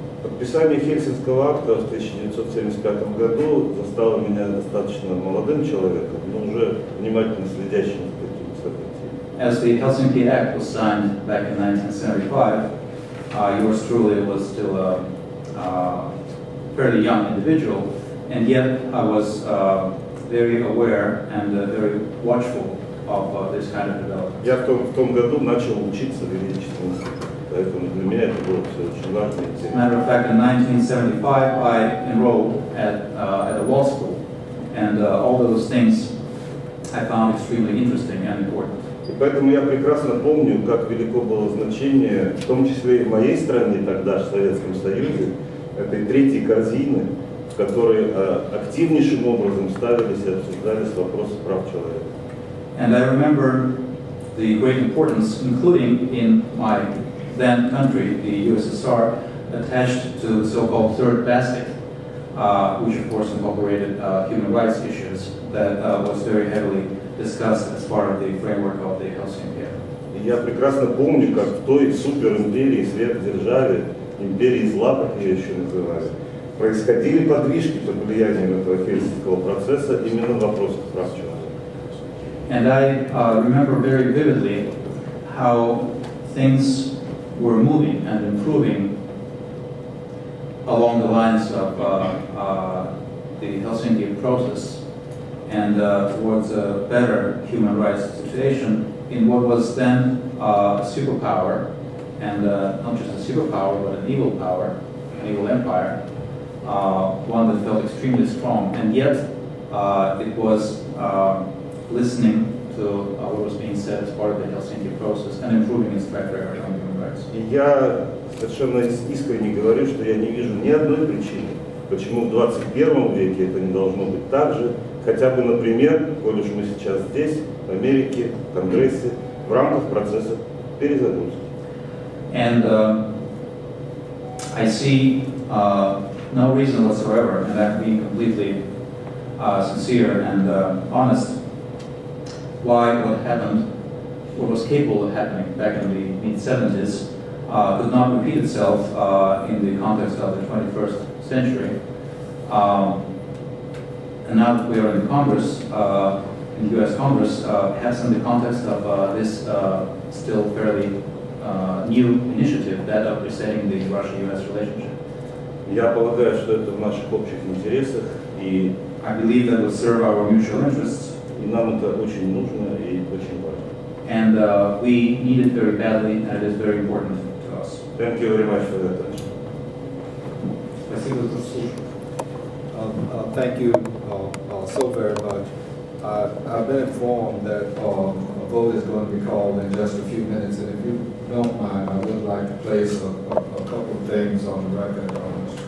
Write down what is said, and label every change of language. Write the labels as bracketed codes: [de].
[ru] Подписание Хельсинского акта в 1975 году застало меня достаточно молодым человеком, но уже внимательно следящим за такими событиями. [en] As the Helsinki Act was signed back in 1975, yours truly was still a fairly young individual, and yet I was very aware and very watchful of this kind of development. [ru] Я в том году начал учиться в юридическом институте. Поэтому для меня это было все очень важно. [en] As a matter of fact, in 1975 I enrolled at a law school, and all those things I found extremely interesting and important. [ru] И поэтому я прекрасно помню, как велико было значение, в том числе и в моей стране тогда, в Советском Союзе, этой третьей корзины, в которой активнейшим образом ставились и обсуждались вопросы прав человека. [en] And I remember the great importance, including in my then country, the USSR, attached to the so-called third basket, which of course incorporated human rights issues, that was very heavily discussed as part of the framework of the Helsinki Act. [ru] Я прекрасно помню, как в той суперимперии, сверхдержаве, империи зла, как ее еще называют, происходили подвижки под влиянием этого Хельсинкского процесса именно в вопросах прав человека. [en] And I remember very vividly how things were moving and improving along the lines of the Helsinki process and towards a better human rights situation in what was then a superpower, and not just a superpower, but an evil power, an evil empire, one that felt extremely strong. And yet, it was listening to what was being said as part of the Helsinki process and improving its track record. [ru] И я совершенно искренне говорю, что я не вижу ни одной причины, почему в 21 веке это не должно быть так же, хотя бы, например, коль уж мы сейчас здесь, в Америке, в Конгрессе, в рамках процесса перезагрузки. [en] And I see no reason whatsoever, and I'm being completely sincere and honest, why what happened, what was capable of happening back in the mid-70s could not repeat itself in the context of the 21st century. And now that we are in Congress, in the US Congress, perhaps in the context of this still fairly new initiative, that of resetting the Russia-US relationship. [ru] Я полагаю, что это в наших общих интересах, и [en] I believe that will serve our mutual interests. [ru] И нам это очень нужно и очень важно. [en] And we need it very badly, and it is very important to us. Thank you very much for that attention. [ru] Спасибо, [en] professor. Thank you so very much. I've been informed that a vote is going to be called in just a few minutes, and if you don't mind, I would like to place a couple of things on the record, Mr.